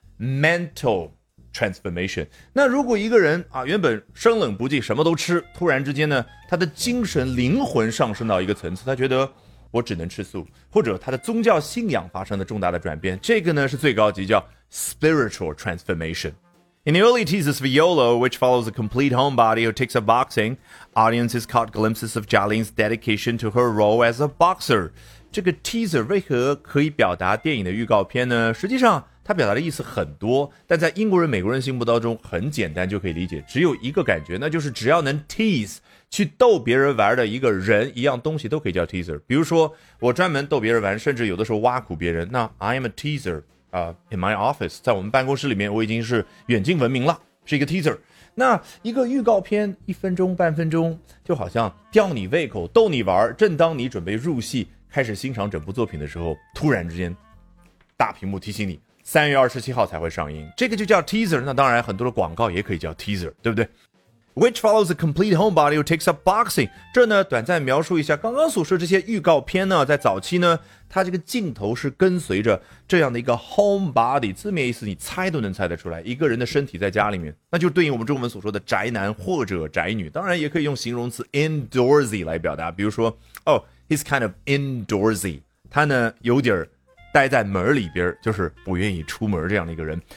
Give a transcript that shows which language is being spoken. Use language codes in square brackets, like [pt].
[en] Mental transformation。 [zh] 那如果一个人啊，原本生冷不忌什么都吃，突然之间呢，他的精神灵魂上升到一个层次，他觉得我只能吃素，或者他的宗教信仰发生了重大的转变，这个呢是最高级，叫 [en] spiritual transformation。 In the early teasers for YOLO, which follows a complete homebody who takes up boxing, audiences caught glimpses of Jia Ling's dedication to her role as a boxer. [zh] 这个 teaser 为何可以表达电影的预告片呢？实际上它表达的意思很多，但在英国人美国人心目当中很简单就可以理解，只有一个感觉，那就是只要能 tease 去逗别人玩的一个人一样东西都可以叫 teaser。比如说我专门逗别人玩，甚至有的时候挖苦别人，那 [en] I am a teaser。 In my office， [zh] 在我们办公室里面，我已经是远近闻名了，是一个 teaser。那一个预告片一分钟半分钟，就好像吊你胃口逗你玩，正当你准备入戏开始欣赏整部作品的时候，突然之间大屏幕提醒你3月27号才会上映，这个就叫 teaser。 那当然很多的广告也可以叫 teaser， 对不对？ [en] which follows a complete homebody who takes up boxing. [zh] 这呢短暂描述一下刚刚所说这些预告片呢，在早期呢它这个镜头是跟随着这样的一个 homebody， 字面意思你猜都能猜得出来，一个人的身体在家里面，那就对应我们中文所说的宅男或者宅女，当然也可以用形容词 indoorsy 来表达，比如说 [en] oh he's kind of indoorsy， [zh] 他呢有点待在门里边，就是不愿意出门这样的一个人。